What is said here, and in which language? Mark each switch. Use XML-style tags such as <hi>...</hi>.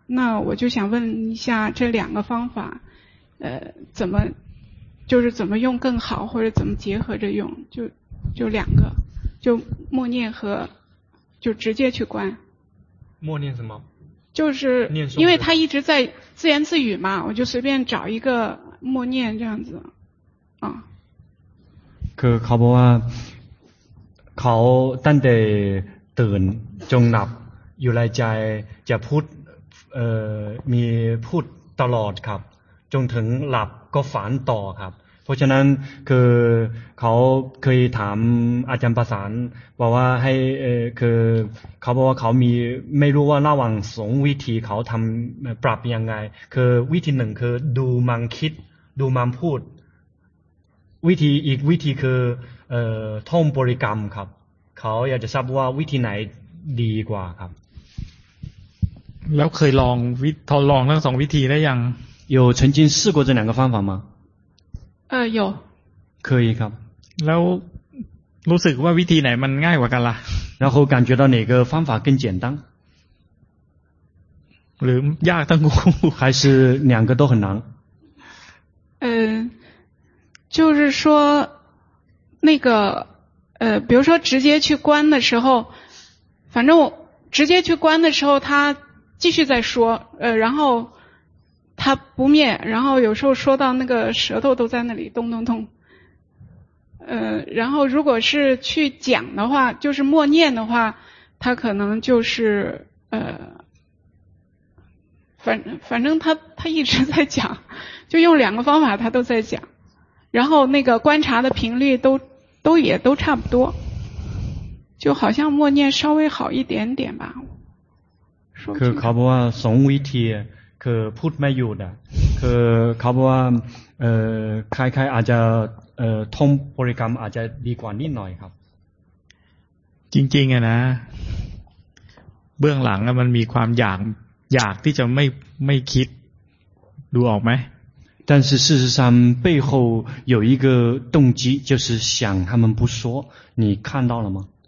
<zh>那我就想问一下，这两个方法，怎么，就是怎么用更好，或者怎么结合着用？就两个，就默念和就直接去观。默念什么？就是因为他一直在自言自语嘛，我就随便找一个默念这样子，啊。</zh> <th>คือเขาบอกว่าเขาตั้งแต่ตื่นจงหลับอยู่ในใจจะพูดมีพูดตลอดครับจนถึงหลับก็ฝันต่อครับเพราะฉะนั้นคือ เขาเคยถามอาจารย์ประสานบอกว่าให้คือเขาบอกว่าเขามีไม่รู้ว่าระหว่างสองวิธีเขาทำปรับยังไงคือวิธีหนึ่งคือดูมันคิดดูมันพูดวิธีอีกวิธีคือท่องบริกรรมครับเขาอยากจะทราบว่าวิธีไหนดีกว่าครับ แล้วเคยลองวิทดลองทั้งสองวิธีได้ยัง</th> <zh>有曾经试过这两个方法吗有可以ครับ</zh> <th>แล้วรู้สึกว่าวิธีไหนมันง่ายกว่ากันล่ะ</th> <zh>然后感觉到哪个方法更简单</zh> <th>หรือยากทั้งคู่</th> <zh>还是两个都很难就是说那个比如说直接去关的时候反正我直接去关的时候他继续在说然后他不灭然后有时候说到那个舌头都在那里咚咚咚然后如果是去讲的话就是默念的话他可能就是反正他一直在讲就用两个方法他都在讲然后那个观察的频率都也都差不多就好像默念稍微好一点点吧</zh> <th>คือเขาบอกว่าสองวิธีคือพูดไม่หยุดอ่ะคือเขาบอกว่าคล้ายๆอาจจะท่องบริกรรมอาจจะดีกว่านิดหน่อยครับ จริงๆอ่ะนะเบื้องหลังมันมีความอยากที่จะไม่คิดดูออกไหม</th> <zh>但是事实上背后有一个动机就是想他们不说你看到了吗</zh>